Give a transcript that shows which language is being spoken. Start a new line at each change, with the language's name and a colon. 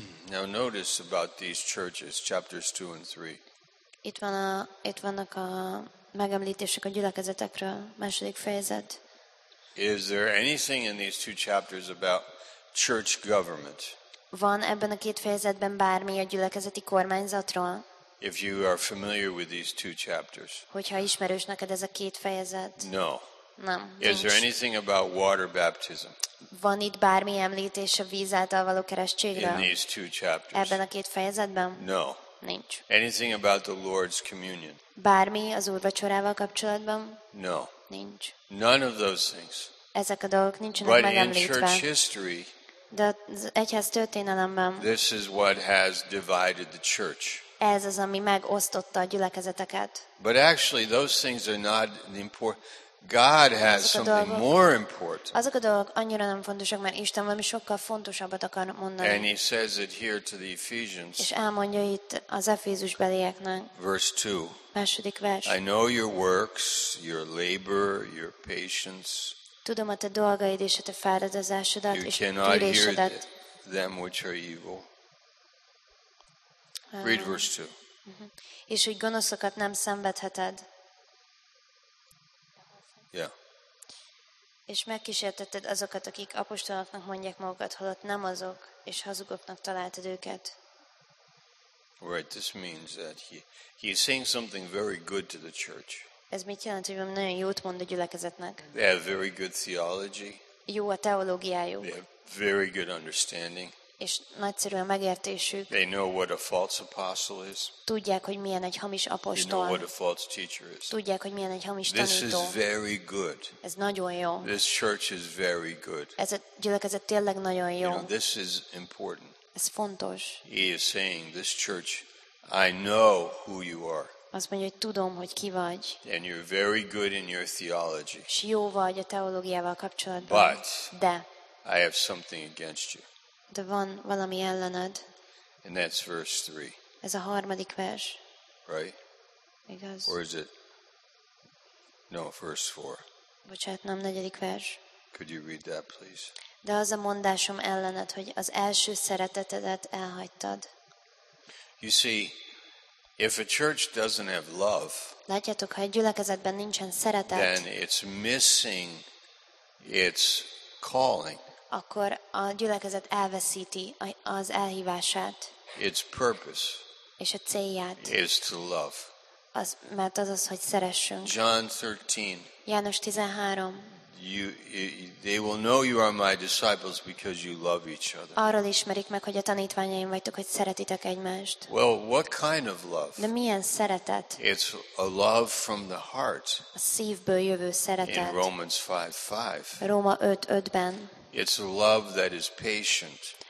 English: Now notice about these churches, chapters 2 and 3.
Hungarian: Itt vannak a megemlítések a gyülekezetekről, második fejezet.
English: Is there anything in these two chapters about church government?
Hungarian: Van ebben a két fejezetben bármi a gyülekezeti kormányzatról?
English: If you are familiar with these two chapters.
Hungarian: Hogyha ismerős neked ez a két fejezet.
English: No.
Hungarian: Nem.
English: Is there anything about water baptism?
Hungarian: Van itt bármi említés a víz által való keresztségre?
English: In these two chapters.
Hungarian: Ebben a két fejezetben?
English: No.
Hungarian: Nincs.
English: Anything about the Lord's communion?
Hungarian: Bármi az úrvacsorával kapcsolatban?
English: No.
Hungarian: Nincs.
English: None of those things.
Hungarian: Ezek a dolgok nincsenek megemlítve.
English: But in church history.
Hungarian: De az egyház történelemben.
English: This is what has divided the church.
Hungarian: Ez az, ami megosztotta a gyülekezeteket.
English: But actually those things are not important. God has something more important.
Hungarian: Azok a dolgok annyira nem fontosak, mert Isten valami sokkal fontosabbat akar mondani.
English: And he says it here to the Ephesians.
Hungarian: És elmondja itt az Efézusbelieknek.
English: Verse 2.
Hungarian: Második vers.
English: I know your works, your labor, your patience.
Hungarian: Tudom a te dolgaid és a te fáradozásodat és türésedet.
English: You cannot hear them which are evil. Read verse 2.
Hungarian: És hogy gonoszokat nem szenvedheted. Yeah. És megkísértetted azokat, akik apostoloknak mondják magukat, holott nem azok, és hazugoknak találtad őket.
English: Right, this means that he is saying something very good to the church.
Hungarian: Ez mit jelent, hogy nagyon jót mond a gyülekezetnek?
English: They have very good theology.
Hungarian: Jó a teológiájuk.
English: They have very good understanding.
Hungarian: És nagyszerű a megértésük.
English: They know what a false apostle is.
Hungarian: Tudják, hogy milyen egy hamis apostol.
English: They know what a false teacher is.
Hungarian: Tudják, hogy milyen egy hamis
English: This
Hungarian: tanító.
English: This is very good.
Hungarian: Ez nagyon jó.
English: This church is very good.
Hungarian: Ez a gyülekezet tényleg nagyon jó.
English: You know, this is important.
Hungarian: Ez fontos.
English: He is saying, this church, I know who you are.
Hungarian: Azt mondja, hogy tudom, hogy ki vagy.
English: And you're very good in your theology.
Hungarian: És jó vagy a teológiával kapcsolatban.
English: But
Hungarian: de
English: I have something against you.
Hungarian: De van valami ellened.
English: And that's verse 3.
Hungarian: Ez a harmadik vers.
English: Right?
Hungarian: Igaz.
English: Or is it? No, verse 4.
Hungarian: Bocsát, nem negyedik vers.
English: Could you read that, please?
Hungarian: De az a mondásom ellened, hogy az első szeretetedet elhagytad.
English: You see, if a church doesn't have love,
Hungarian: látjátok, ha egy gyülekezetben nincsen szeretet,
English: then it's missing its calling.
Hungarian: Akkor a gyülekezet elveszíti az elhívását.
English: Its purpose.
Hungarian: És a célját.
English: Is to love.
Hungarian: Az, mert az az, hogy szeressünk.
English: John 13.
Hungarian: János 13.
English: They will know you are my disciples because you love each other.
Hungarian: Arról ismerik meg, hogy a tanítványaim vagytok, hogy szeretitek egymást.
English: Well, what kind of love?
Hungarian: De milyen szeretet?
English: It's a love from the heart.
Hungarian: A szívből jövő szeretet.
English: In Romans 5:5.
Hungarian: Róma 5:5-ben.
English: It's a love that is patient.